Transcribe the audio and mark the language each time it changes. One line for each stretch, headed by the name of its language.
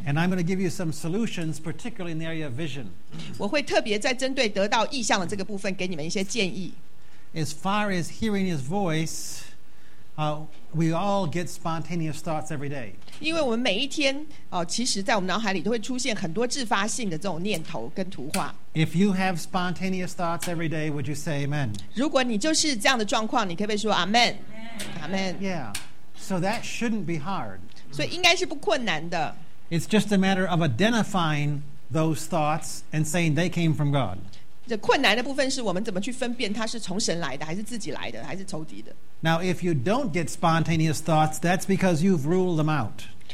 English: And I'm going to give you some solutions, particularly in the area of vision.
Chinese: 我会特别在针对得到意象的这个部分给你们一些建议。
English: As far as hearing His voice, we all get spontaneous thoughts every day.
Chinese: 因为我们每一天，其实在我们脑海里都会出现很多自发性的这种念头跟图画。
English: If you have spontaneous thoughts every day, would you say amen?
Chinese: 如果你就是这样的状况，你可不可以说阿门？
English: Amen. Yeah. So that shouldn't be hard.
Chinese: 所以应该是不困难的。
English: It's just a matter of identifying those thoughts and saying they came from God.
Chinese: 这困难的部分是我们怎么去分辨它是从神来的，还是自己来的，还是仇敌的。
English: Now, if you don't get spontaneous thoughts, that's because you've ruled them out.